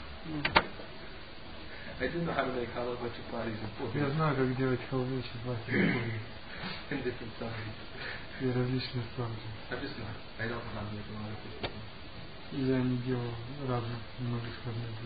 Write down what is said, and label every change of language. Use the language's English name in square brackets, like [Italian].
[English] I didn't know how to make halwa chapatis and puri. [Russian] Я знаю, как делать халву и чапати. [English] In different sizes. [Russian] И различные формы. [English] I don't know how to make a lot of this. [Russian] Я не делал разных многих формов.